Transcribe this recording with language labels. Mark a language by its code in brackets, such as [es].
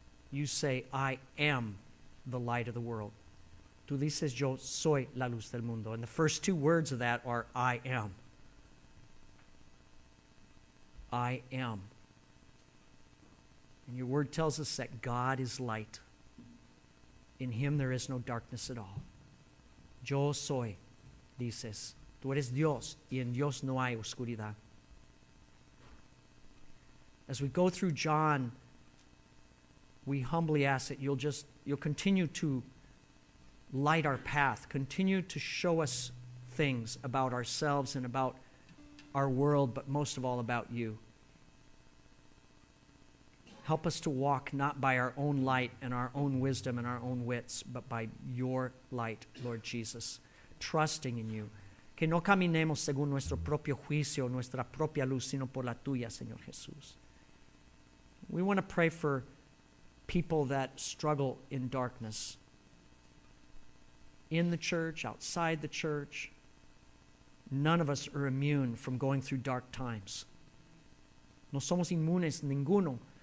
[en] You say, I am the light of the world. [es] Tú dices, yo soy la luz del mundo. [en] And the first two words of that are, I am. I am. And your word tells us that God is light. In him there is no darkness at all. [es] Yo soy, dices. Tú eres Dios, y en Dios no hay oscuridad. [en] As we go through John, we humbly ask that you'll continue to light our path, continue to show us things about ourselves and about our world, but most of all about you. Help us to walk not by our own light and our own wisdom and our own wits, but by your light, Lord Jesus, trusting in you. [es] Que no caminemos según nuestro propio juicio, nuestra propia luz, sino por la tuya, Señor Jesús. [en] We want to pray for people that struggle in darkness, in the church, outside the church. None of us are immune from going through dark times. [es] No somos inmunes, ninguno.